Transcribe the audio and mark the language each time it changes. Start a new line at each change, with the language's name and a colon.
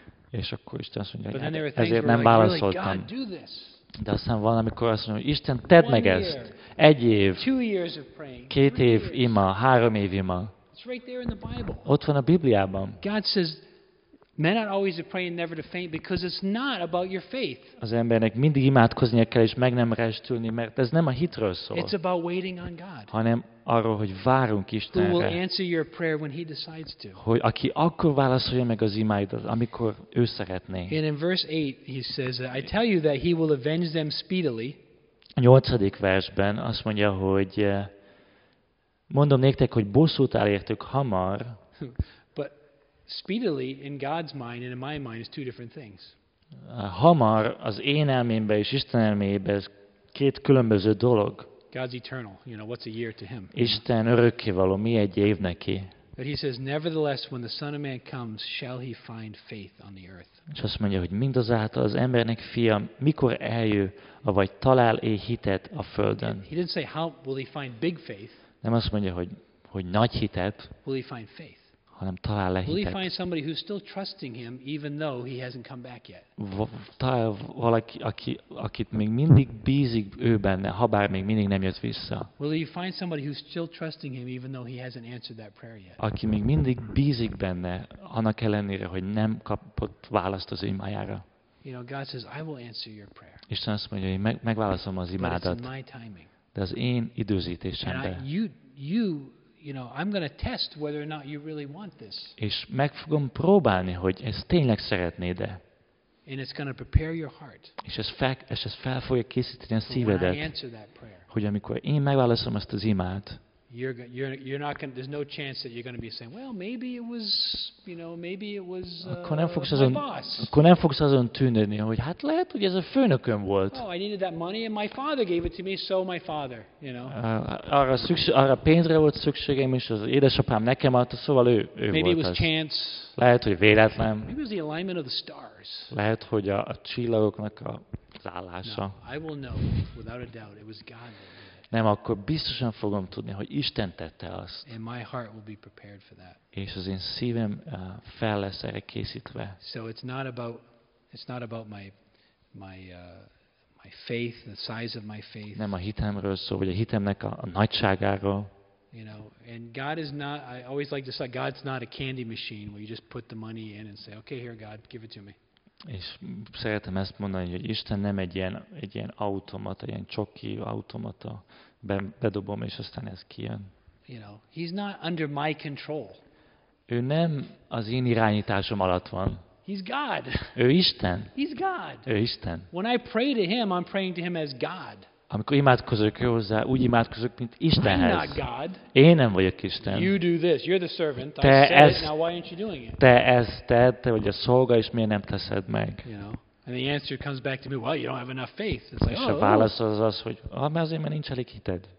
Hungarian: És akkor Isten azt mondja, hogy ezért nem válaszoltam. De aztán valamikor azt mondja, hogy Isten, tedd meg ezt. Egy év, két év ima, három év ima. Ott van a Bibliában.
English: Men are always praying never to faint because it's not about your faith.
Hungarian: Az embernek mindig imádkoznia kell, és meg nem restülni, mert ez nem a hitről szól.
English: It's about waiting on God.
Hungarian: Hanem arról, hogy várunk Istenre.
English: Who will answer your prayer when he decides to.
Hungarian: Hogy aki akkor válaszolja meg az imádat, amikor ő szeretné.
English: And in verse 8 he says, I tell you that he will avenge them speedily.
Hungarian: A 8. versben azt mondja, hogy mondom néktek, hogy bosszút elértük hamar.
English: Speedily in God's mind and in my mind is two different things.
Hungarian: Hamar az én elmémben és Isten elmében ez két különböző dolog.
English: God's eternal, you know, what's a year to him?
Hungarian: Isten örökkévaló, mi egy év neki?
English: But he says, nevertheless, when the Son of Man comes, shall he find faith on the earth?
Hungarian: És azt mondja, hogy mindazáltal az embernek fia, mikor eljő, avagy talál-e hitet a földön?
English: He didn't say, how will he find big faith?
Hungarian: Nem azt mondja, hogy nagy hitet.
English: Will he find faith?
Hungarian: Hanem talál le hitet.
English: Will he find somebody who's still trusting him even though he hasn't come back yet?
Hungarian: Talál valaki, akit még mindig bízik ő benne, habár még mindig nem jött vissza.
English: Will he find somebody who's still trusting him even though he hasn't answered that prayer yet?
Hungarian: Aki még mindig bízik benne, annak ellenére, hogy nem kapott választ az imájára.
English: You know, God says, I will answer your prayer.
Hungarian: Isten azt mondja, hogy megválaszom az imádat.
English: But it's my timing.
Hungarian: De az én időzítésemben.
English: And you know, I'm going to test whether or not you really want this.
Hungarian: És meg fogom próbálni, hogy ez tényleg szeretnéd-e.
English: And it's going to prepare your heart.
Hungarian: És ez fel fogja készíteni a szívedet.
English: When I answer that prayer.
Hungarian: Hogy amikor én megválaszom ezt az imát.
English: You're not going. There's no chance that you're going to be saying, well, maybe it was, you know, maybe it was.
Hungarian: Akkor nem fogsz azon. Akkor nem fogsz azon tűnődni, hogy hát lehet, hogy ez a főnököm volt.
English: Oh, I needed that money, and my father gave it to me, so my father, you know.
Hungarian: Arra pénzre volt szükségem, és az édesapám nekem adta, szóval ő
English: maybe
Hungarian: volt.
English: Maybe it was chance.
Hungarian: Lehet, hogy véletlen.
English: Maybe it was the alignment of the stars.
Hungarian: Lehet, hogy a csillagoknak az állása.
English: No, I will know without a doubt it was God.
Hungarian: Nem, akkor biztosan fogom tudni, hogy Isten tette azt.
English: And my heart will be prepared for that.
Hungarian: És az én szívem fel lesz erre készítve.
English: So it's not about my faith, the size of my faith.
Hungarian: Nem a hitemről szól, vagy a hitemnek a nagyságáról.
English: You know, and God is not, I always like to say, God's not a candy machine where you just put the money in and say, okay, here, God, give it to me.
Hungarian: És szeretem ezt mondani, hogy Isten nem egy ilyen automata, ilyen csoki automata, bedobom és aztán ez kijön.
English: You know, he's not under my control.
Hungarian: Ő nem az én irányításom alatt van.
English: He's God.
Hungarian: Ő Isten.
English: He's God.
Hungarian: Ő Isten.
English: When I pray to him, I'm praying to him as God.
Hungarian: Amikor imádkozok ő hozzá, úgy imádkozok, mint Istenhez.
English: I'm not God.
Hungarian: Én nem vagyok Isten.
English: You do this. You're the servant.
Hungarian: Te ezt,
English: now why aren't you doing it?
Hungarian: Te vagy a szolga, és miért nem teszed meg?
English: You know? And the answer comes back to me, well, you don't have enough faith. It's like,
Hungarian: és a válasz az, hogy mert azért, mert nincs elég hited.